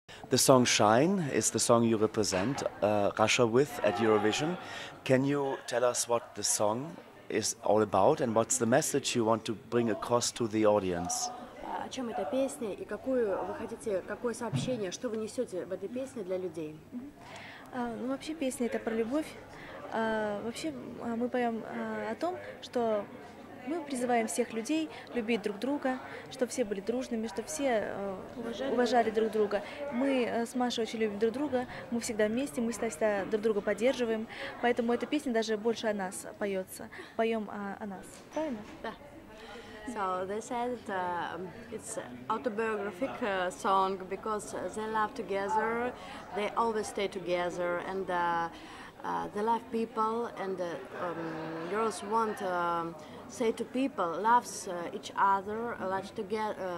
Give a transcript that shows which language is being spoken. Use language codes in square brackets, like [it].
[en] The song Shine is the song you represent Russia with at Eurovision. Can you tell us what the song is all about and what's the message you want to bring across to the audience? [ru] О чем эта песня и какую вы хотите, какое сообщение, что вы несете в этой песне для людей? Ну, вообще песня это про любовь. Вообще мы поем о том, что мы призываем всех людей любить друг друга, чтобы все были дружными, чтобы все уважали друг друга. Мы с Машей очень любим друг друга, мы всегда вместе, мы всегда друг друга поддерживаем. Поэтому эта песня даже больше о нас поется. Поем о нас. Правильно? Да. [en] So they said it's autobiographic song because they love together, they always stay together, and they love people, and girls want to say to people, loves each other, loves together.